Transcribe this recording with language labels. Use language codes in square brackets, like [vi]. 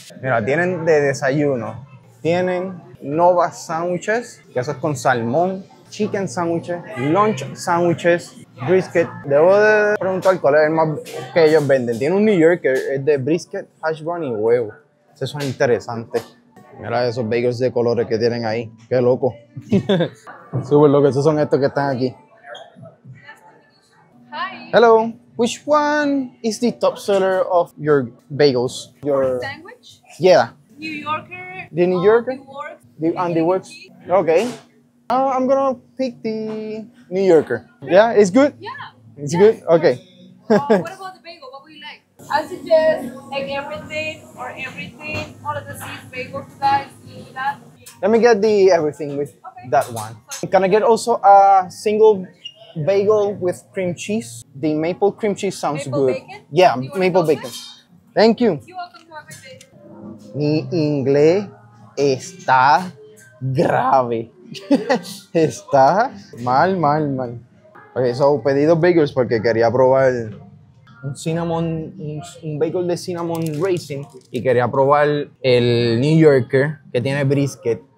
[es] Mira, tienen de desayuno, tienen Nova Sándwiches, que eso es con salmón, Chicken Sándwiches, Lunch Sándwiches, Brisket. Debo de preguntar cuál es el más que ellos venden. Tiene un New Yorker, es de brisket, hash brown y huevo. Eso es interesante. Mira esos bagels de colores que tienen ahí. Qué loco. Súper loco. Esos son estos que están aquí. [en] Hi. Hello. Which one is the top seller of your bagels? Your sandwich? Yeah. New Yorker. The New Yorker? The works. Okay. I'm gonna pick the New Yorker. Yeah, it's good? Yeah. It's good? Okay. What about the bagel? What would you like? I suggest like everything or all of the cheese bagel with that. Let me get the everything with that one. Can I get also a single bagel with cream cheese? The maple cream cheese sounds maple good. Bacon? Yeah, maple bacon. Thank you. You're welcome to have a [es] day. Mi inglés está grave. Está mal, mal, mal. Okay, so pedí dos bagels porque quería probar un bagel de cinnamon raisin y quería probar el New Yorker que tiene brisket.